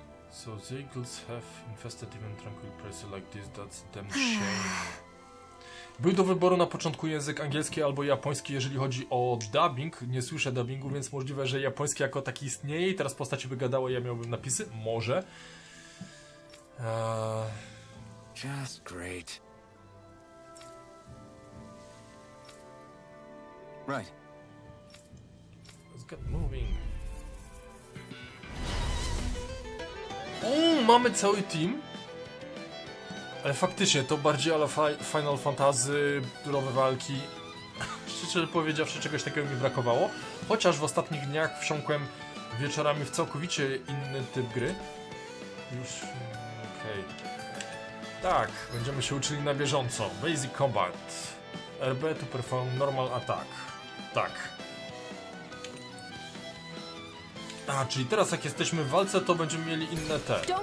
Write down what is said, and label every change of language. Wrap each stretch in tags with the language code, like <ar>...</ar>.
<en>So the eagles have infested even tranquil places like this, that's them shame.</en> <pl>Był do wyboru na początku język angielski albo japoński, jeżeli chodzi o dubbing. Nie słyszę dubbingu, więc możliwe, że japoński jako taki istnieje i teraz postaci by gadały, ja miałbym napisy? Może.</pl> <en>Just great. Right. Moving.</en> <pl>Mamy cały team. Ale faktycznie to bardziej ale Final Fantasy, durowe walki. Szczerze powiedziawszy, czegoś takiego mi brakowało. Chociaż w ostatnich dniach wsiąkłem wieczorami w całkowicie inny typ gry. Już. Okej. Tak, będziemy się uczyli na bieżąco.</pl> <en>Basic combat. RB to perform normal attack.</en> <pl>Tak. A, czyli teraz jak jesteśmy w walce, to będziemy mieli inne te.</pl>